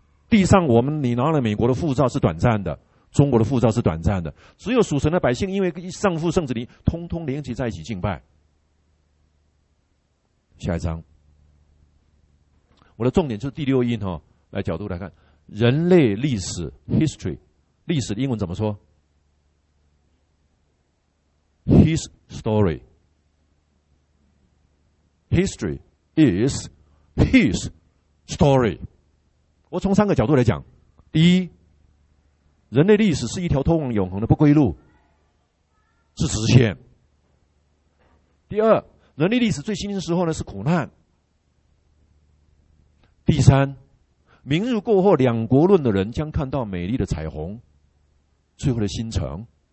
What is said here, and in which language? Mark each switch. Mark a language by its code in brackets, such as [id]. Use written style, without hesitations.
[zh] 地上我们，你拿了美国的护照是短暂的，中国的护照是短暂的，只有属神的百姓因为上父圣子灵通通连接在一起敬拜。下一章，我的重点就是第六印，哦，来角度来看人类历史 history, 历史的英文怎么说？ [en] His story, history is his story。 [zh] 我从三个角度来讲，第一，人类历史是一条通往永恒的不归路，是直线。第二，人类历史最新的时候呢是苦难。第三，明日过后两国论的人将看到美丽的彩虹，最后的新城。